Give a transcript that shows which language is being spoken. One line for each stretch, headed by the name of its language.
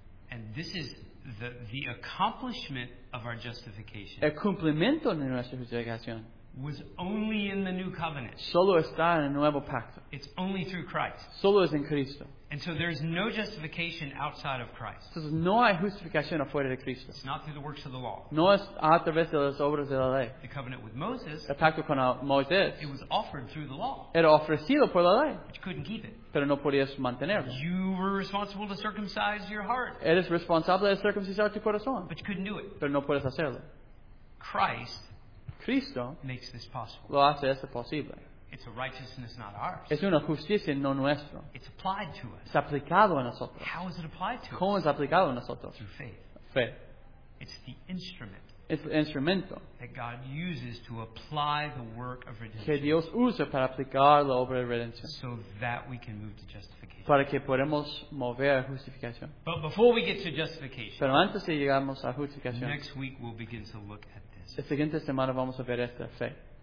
English: And this is the accomplishment of our justification.
Spanish: El cumplimiento de nuestra justificación.
English: Was only in the new covenant.
Spanish: Solo está en el nuevo pacto.
English: It's only through Christ.
Spanish: Solo es en Cristo.
English: And so there's no justification outside of Christ.
Spanish: Entonces no hay justificación afuera de Cristo.
English: It's not through the works of the law.
Spanish: No es a través de las obras de la ley.
English: The covenant with Moses.
Spanish: El pacto con Moisés.
English: It was offered through the law.
Spanish: Era ofrecido por la ley.
English: But you couldn't keep it.
Spanish: Pero no podías mantenerlo.
English: You were responsible to circumcise your heart.
Spanish: Eres responsable de circuncidar tu corazón.
English: But you couldn't do it.
Spanish: Pero no puedes hacerlo.
English: Christ.
Spanish: Cristo
English: makes this possible.
Spanish: Lo hace esto posible.
English: It's a righteousness not ours.
Spanish: Es una justicia no nuestra.
English: It's applied to us.
Spanish: Es aplicado a nosotros.
English: How is it applied to
Spanish: ¿Cómo
English: us?
Spanish: Es aplicado a nosotros?
English: Through faith.
Spanish: Fe.
English: It's the instrument.
Spanish: Es el instrumento.
English: That God uses to apply the work of redemption.
Spanish: Que Dios usa para aplicar la obra de redención.
English: So that we can move to justification.
Spanish: Para que podamos mover a justificación.
English: But before we get to justification.
Spanish: Pero antes de llegamos a justificación.
English: Next week we'll begin to look at
Spanish: la siguiente semana vamos a ver esta fe.